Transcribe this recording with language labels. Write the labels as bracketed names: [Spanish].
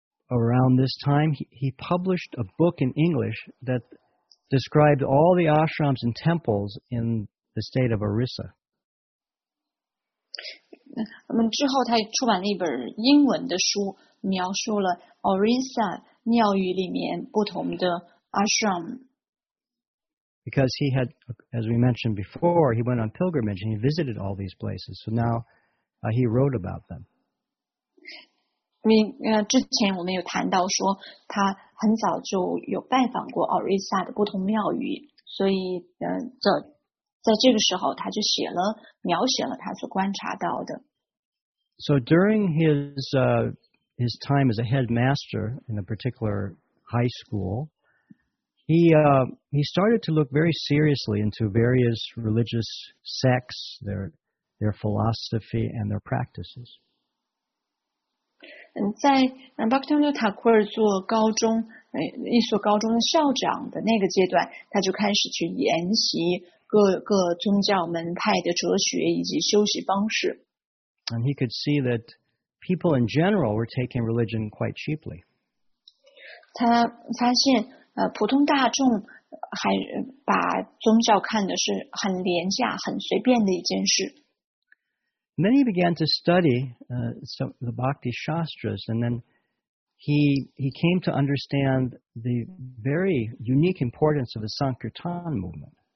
[English] Around this time, he published a book in English that described all the ashrams and temples in the state of Orissa. [Chinese] 之后他出版了一本英文的书，描述了 Orissa 庙宇里面不同的 ashram. [English] Because he had, as we mentioned before, he went on pilgrimage and he visited all these places. So now, he wrote about them. [Chinese] 之前我们有谈到说他很早就有拜访过奥瑞萨的不同庙宇，所以在这个时候他就写了描写了他所观察到的。 [English] So during his time as a headmaster in a particular high school. He started to look very seriously into various religious sects, their philosophy and their practices. [Chinese] 在 Bhaktivinoda Thakur 做高中一所高中校长的那个阶段，他就开始去研习各宗教门派的哲学以及修习方式。 [English] And he could see that people in general were taking religion quite cheaply. [Chinese] 他发现。普通大众还把宗教看的是很廉价、很随便的一件事。 [English] Then he began to study the Bhakti Shastras, and then he came to understand the very unique importance of the Sankirtan movement.